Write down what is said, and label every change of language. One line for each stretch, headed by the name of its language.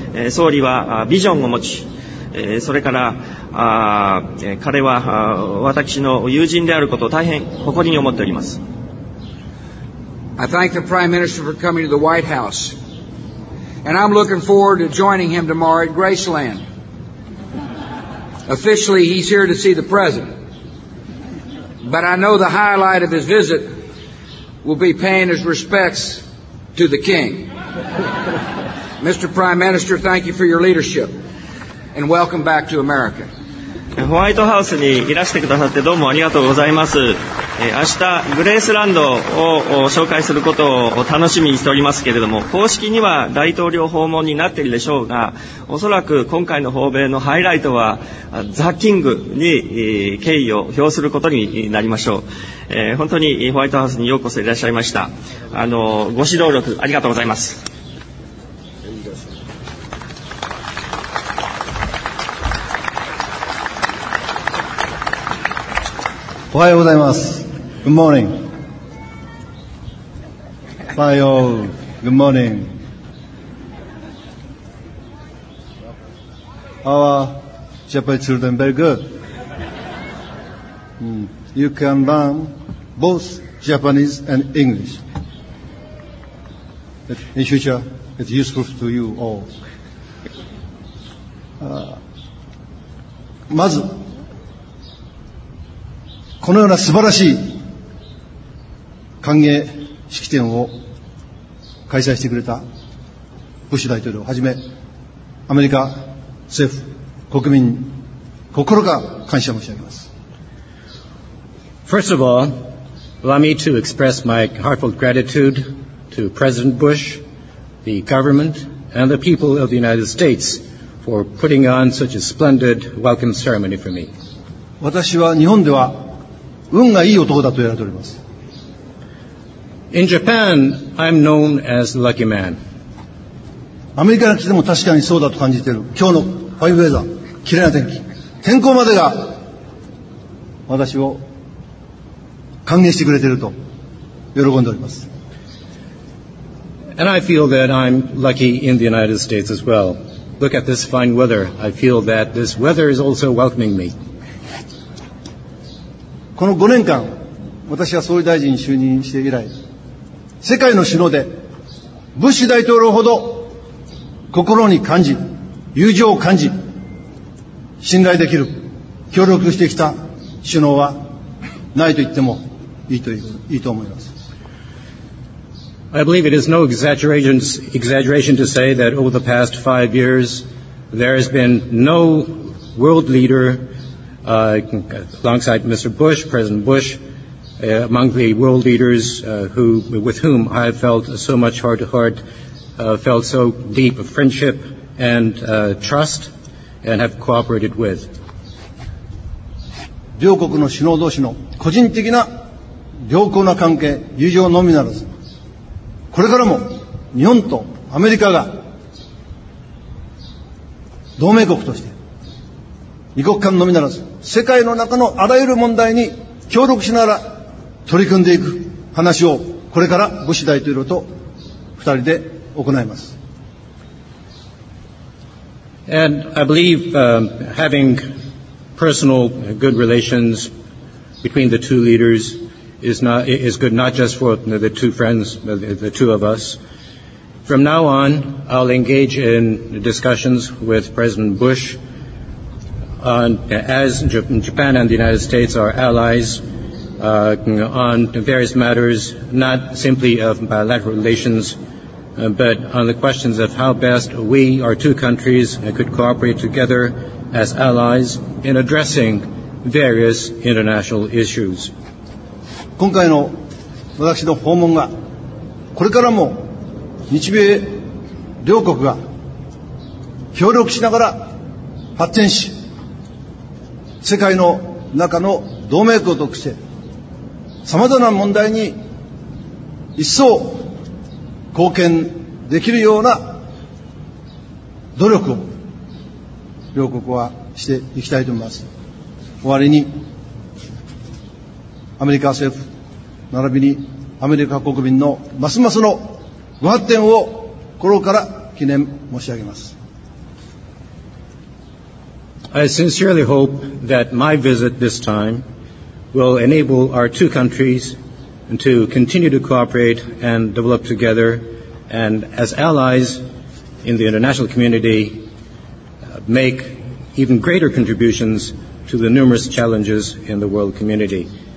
Japanese: 総理はビジョンを持ち、それから彼は私の友人であることを大変誇りに思っております。
English: I thank the Prime Minister for coming to the White House. And I'm looking forward to joining him tomorrow at Graceland. Officially, he's here to see the President. But I know the highlight of his visit will be paying his respects to the King. Mr. Prime Minister, thank you for your leadership. And welcome back to America.
Japanese: ホワイトハウスにいらしてくださってどうもありがとうございます。明日グレースランドを紹介することを楽しみにしておりますけれども、公式には大統領訪問になっているでしょうが、おそらく今回の訪米のハイライトはザ・キングに敬意を表することになりましょう。本当にホワイトハウスにようこそいらっしゃいました。ご指導力ありがとうございます。おはようございます。
English: Good morning.
Japanese: おはよう。
English: Good morning. Our Japanese children very good. You can learn both Japanese and English. In future, it's useful to you all.
Japanese: まずこのような素晴らしい歓迎式典を開催してくれたブッシュ大統領をはじめ、アメリカ政府、国民に心から感謝申し上げます。
English: First of all, allow me to express my heartfelt gratitude to President Bush, the government, and the people of the United States for putting on such a splendid welcome ceremony for me.
Japanese: 私は日本では運がいい男だと言われております。
English: In Japan, I'm known as the lucky man.
Japanese: アメリカに来ても確かにそうだと感じている。今日の
English: ファイブウェザー、
Japanese: 綺麗な天気、天候までが私を歓迎してくれていると喜んでおります。
English: And I feel that I'm lucky in the United States as well. Look at this fine weather. I feel that this weather is also welcoming me.
Japanese: この5年間、私は総理大臣に就任して以来、世界の首脳でブッシュ大統領ほど心に感じ、友情を感じ、信頼できる、協力してきた首脳はないと言ってもいいと思います。
English: I believe it is no exaggeration to say that over the past five years, there has been no world leaderalongside Mr. Bush, President Bush, among the world leaders who, with whom I have felt so much heart-to-heart, felt so deep a friendship and trust, and have cooperated with.
Japanese: 両国の首脳同士の個人的な良好な関係、友情のみならず、これからも日本とアメリカが同盟国として、二国間のみならず、世界の中のあらゆる問題に協力しながら取り組んでいく話を、これからブッシュ大統領と二人で行います。
English: And I believe having personal good relations between the two leaders is good not just for the two friends, the two of us. From now on, I'll engage in discussions with President Bush on, as Japan and the United States are allies, on various matters, not simply of bilateral relations, but on the questions of how best we, our two countries, could cooperate together as allies in addressing various international issues.
Japanese: 今回の私の訪問がこれからも日米両国が協力しながら発展し世界の中の同盟国としてさまざまな問題に一層貢献できるような努力を両国はしていきたいと思います。終わりにアメリカ政府並びにアメリカ国民のますますのご発展を心から記念申し上げます。
English: I sincerely hope that my visit this time will enable our two countries to continue to cooperate and develop together and as allies in the international community make even greater contributions to the numerous challenges in the world community.